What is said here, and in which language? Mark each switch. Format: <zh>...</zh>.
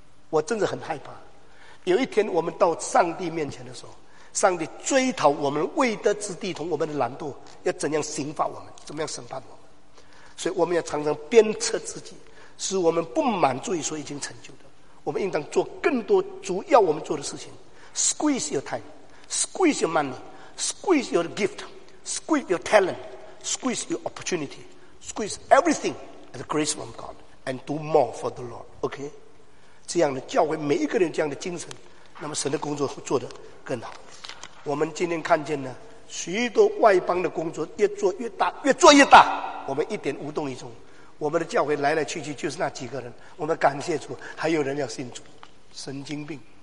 <zh>我真的很害怕，有一天我们到上帝面前的时候，上帝追讨我们未得之地同我们的懒惰，要怎样刑罚我们，怎么样审判我们。所以我们要常常鞭策自己，使我们不满足于所已经成就的，我们应当做更多主要我们做的事情。</zh> <en>Squeeze your time, squeeze your money, squeeze your gift, squeeze your talent, squeeze your opportunity, squeeze everything at the grace of God and do more for the Lord, okay?</en> <zh>这样的教会每一个人这样的精神，那么神的工作会做得更好。我们今天看见呢，许多外邦的工作越做越大，越做越大，我们一点无动于衷。我们的教会来来去去就是那几个人，我们感谢主，还有人要信主，神经病。</zh>